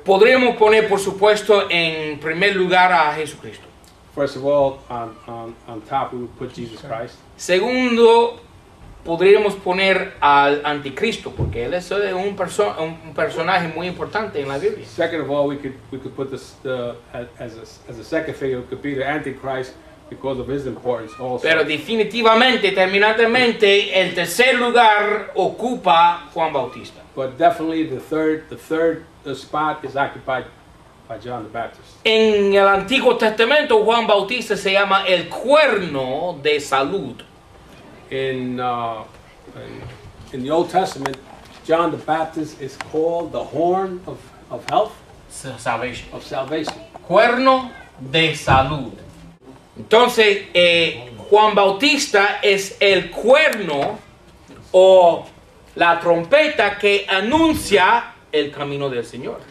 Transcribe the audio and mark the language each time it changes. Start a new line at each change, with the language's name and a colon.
Spanish: podríamos poner, por supuesto, en primer lugar a Jesucristo.
English: First of all, on top, we would put Jesus Christ.
Spanish: Segundo, podríamos poner al Anticristo, porque él es un personaje muy importante en la Biblia.
English: Second of all, we could put this as a second figure, it could be the Antichrist, because of his importance also.
Spanish: Pero definitivamente, terminantemente, el tercer lugar ocupa Juan Bautista.
English: But definitely the third spot is occupied by John the Baptist.
Spanish: En el Antiguo Testamento, Juan Bautista se llama el cuerno de salud.
English: In the Old Testament, John the Baptist is called the horn of health. Salvation. Of salvation.
Spanish: Cuerno de salud. Entonces, Juan Bautista es el cuerno o la trompeta que anuncia el camino del Señor.